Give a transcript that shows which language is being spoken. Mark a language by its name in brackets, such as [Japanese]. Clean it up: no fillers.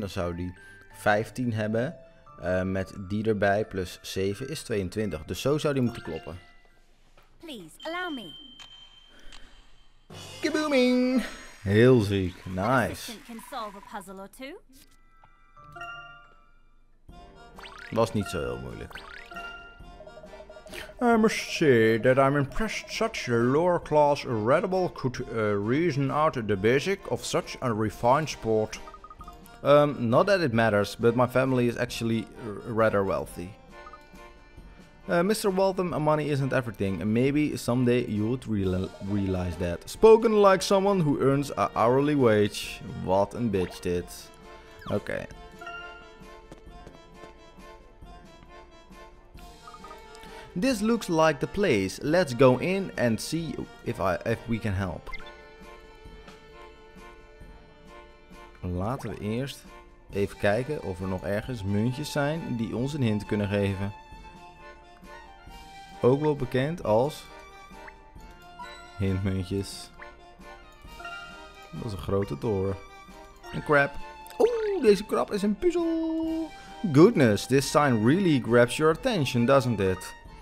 [Dutch] Dan zou die 15 hebben. Met die erbij plus 7 is 22. Dus zo zou die moeten kloppen. [English] Please, allow me. Kabooming! [Dutch] Heel ziek. [English] Nice. Can solve a puzzle or two. [Dutch] Was niet zo heel moeilijk. [English] I must say that I'm impressed such a lower class readable could reason out the basic of such a refined sport. Not that it matters, but my family is actually rather wealthy. Mr. Waltham, money isn't everything, and maybe someday you would realize that. Spoken like someone who earns an hourly wage. What a bitch, dit. Okay. This looks like the place. Let's go in and see if we can help. [Dutch] Laten we eerst even kijken of er nog ergens muntjes zijn die ons een hint kunnen geven. Ook wel bekend als hintmuntjes. Dat is een grote toren. Een crab. Oeh, deze crab is een puzzel. [English] Goodness, this sign really grabs your attention, doesn't it?